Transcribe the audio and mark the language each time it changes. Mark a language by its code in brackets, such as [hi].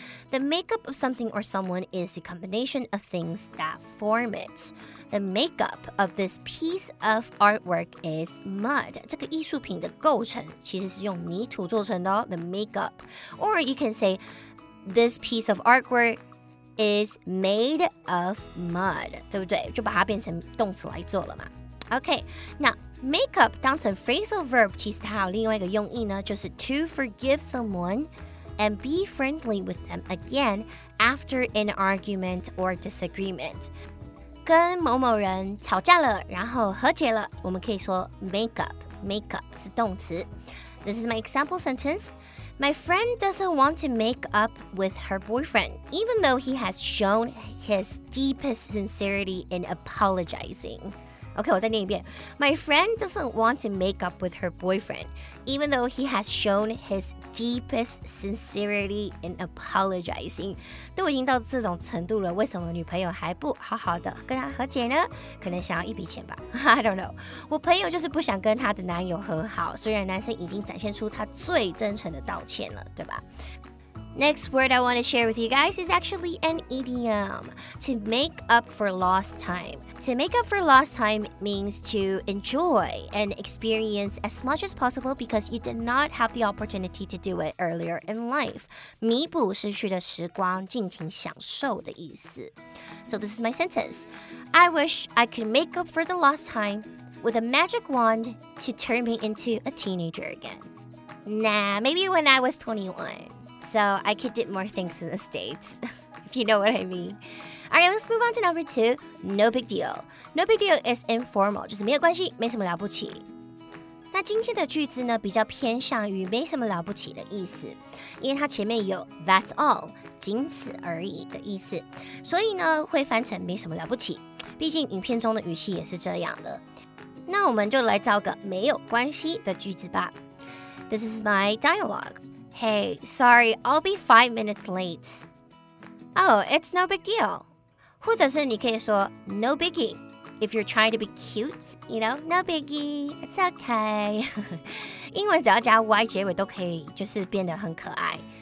[en] The makeup of something or someone is the combination of things that form it. The makeup of this piece of artwork is mud. [zh] 这个艺术品的构成其实是用泥土做成的哦, the makeup. [en] Or you can say, this piece of artwork is made of mud. [zh] 对不对?就把它变成动词来做了嘛。 [en] Okay, now makeup [zh] 当成 [en] phrasal verb, [zh] 其实它有另外一个用意呢,就是 [en] to forgive someone,and be friendly with them again after an argument or disagreement. [zh] 跟某某人吵架了然后和解了我们可以说 make up. [en] Make up [zh] 是动词。 [en] This is my example sentence. My friend doesn't want to make up with her boyfriend, even though he has shown his deepest sincerity in apologizing. OK, [zh] 我再念一遍。 [en] My friend doesn't want to make up with her boyfriend, even though he has shown his deepest sincerity in apologizing. [zh] 都已经到这种程度了，为什么女朋友还不好好的跟他和解呢？可能想要一笔钱吧。 [en] I don't know. [zh] 我朋友就是不想跟他的男友和好，虽然男生已经展现出他最真诚的道歉了，对吧？ [en] Next word I want to share with you guys is actually an idiom. To make up for lost time. To make up for lost time means to enjoy an experience as much as possible because you did not have the opportunity to do it earlier in life. [zh] 弥补失去的时光，尽情享受的意思。 [en] So this is my sentence. I wish I could make up for the lost time with a magic wand to turn me into a teenager again. Nah, maybe when I was 21. So I could do more things in the States, if you know what I mean. All right, let's move on to number two. No big deal. No big deal is informal, [zh] 就是没有关系，没什么了不起。那今天的句子呢，比较偏向于没什么了不起的意思，因为它前面有 [en] that's all， [zh] 仅此而已的意思，所以呢，会翻成没什么了不起。毕竟影片中的语气也是这样的。那我们就来造个没有关系的句子吧。 [en] This is my dialogue. Hey, sorry, I'll be 5 minutes late. Oh, it's no big deal. [zh] 或者是你可以说 [en] no biggie. If you're trying to be cute, you know, no biggie, it's okay. [zh] 英文只要加 y 结尾都可以，就是变得很可爱。